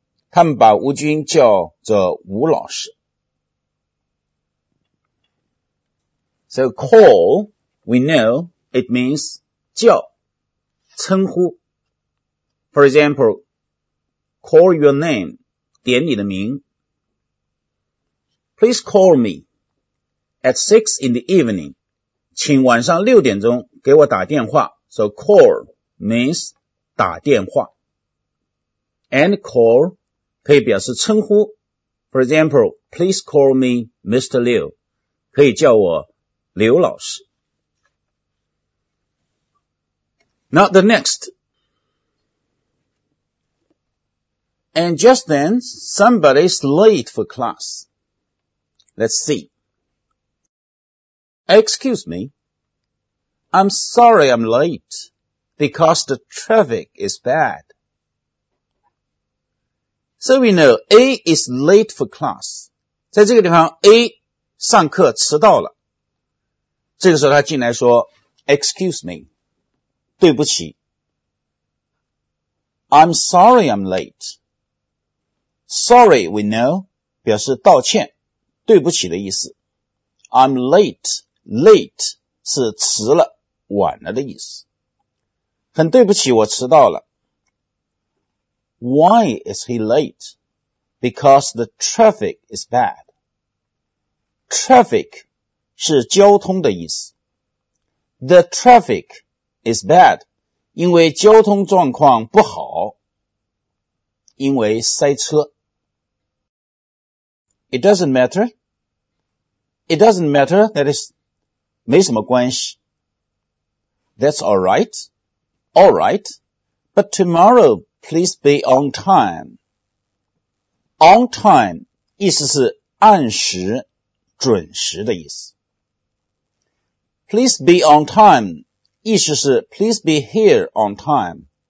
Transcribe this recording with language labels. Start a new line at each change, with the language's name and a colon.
Chinese: 他们把吴军叫做吴老师。
English: So call, we know, it means
Chinese: 叫称呼。
English: For example, call your name,
Chinese: 点你的名。
English: Please call me at 6 in the evening.
Chinese: 请晚上6点钟给我打电话。
English: So call means
Chinese: 打电话。
English: And call
Chinese: 可以表示称呼。
English: For example, please call me Mr. Liu.
Chinese: 可以叫我刘老师。
English: Now the next. And just then, somebody's late for class. Let's see. Excuse me. I'm sorry I'm late, because the traffic is bad. So we know A is late for class.
Chinese: 在这个地方 A 上课迟到了。这个时候他进来说
English: Excuse me.
Chinese: 对不起。
English: I'm sorry I'm late. Sorry, we know,
Chinese: 表示道歉、对不起的意思。
English: I'm late, late
Chinese: 是迟了、晚了的意思。很对不起我迟到了。
English: Why is he late? Because the traffic is bad. Traffic 是交通的意思。 The traffic,is bad,
Chinese: 因为交通状况不好，因为塞车。
English: It doesn't matter. It doesn't matter, that is,
Chinese: 没什么关系。
English: That's alright, alright, but tomorrow please be on time. On time,
Chinese: 意思是按时、准时的意思。
English: Please be on time.
Chinese: 意思是
English: please be here on time.